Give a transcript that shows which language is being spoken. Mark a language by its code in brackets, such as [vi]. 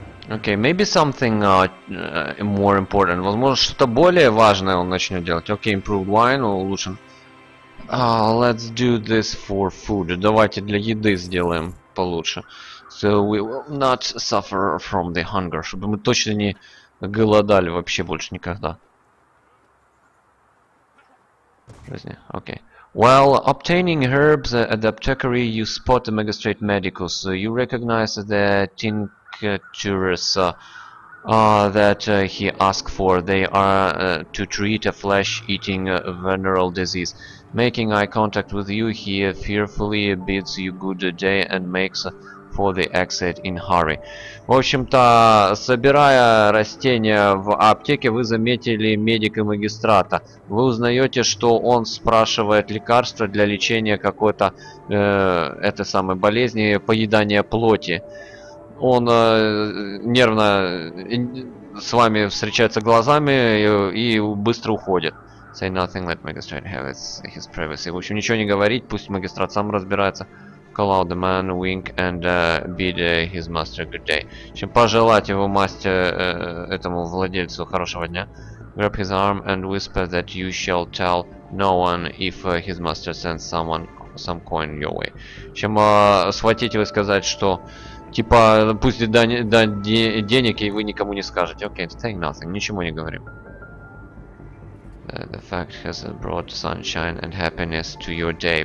[en] Окей, okay, maybe something more important. [ru] Возможно, что-то более важное он начнет делать. [en] Окей, okay, improved wine, [ru] улучшен. [en] Let's do this for food. [ru] Давайте для еды сделаем получше. [en] So we will not suffer from the hunger. [ru] Чтобы мы точно не голодали вообще больше никогда. [en] Okay. While obtaining herbs at the apothecary, you spot the magistrate medicus. So you recognize the tinctures that he asked for. They are to treat a flesh-eating venereal disease. Making eye contact with you, he fearfully bids you good day and makes for the exit in hurry. [ru] В общем-то, собирая растения в аптеке, вы заметили медика-магистрата. Вы узнаете, что он спрашивает лекарства для лечения какой-то этой самой болезни, поедания плоти. Он нервно с вами встречается глазами и быстро уходит. [en] Say nothing, let magistrate have his privacy. [ru] В общем, ничего не говорить, пусть магистрат сам разбирается. [en] Call out the man, wink, and bid his master good day. [ru] В общем, пожелать его мастеру, этому владельцу хорошего дня. [en] Grab his arm and whisper that you shall tell no one if his master sends someone some coin your way. [ru] В общем, схватить его и сказать, что... Типа, пусть денег, и вы никому не скажете. [en] Окей, okay, saying nothing, [ru] ничего не говорим. [en] The fact has brought sunshine and happiness to your day.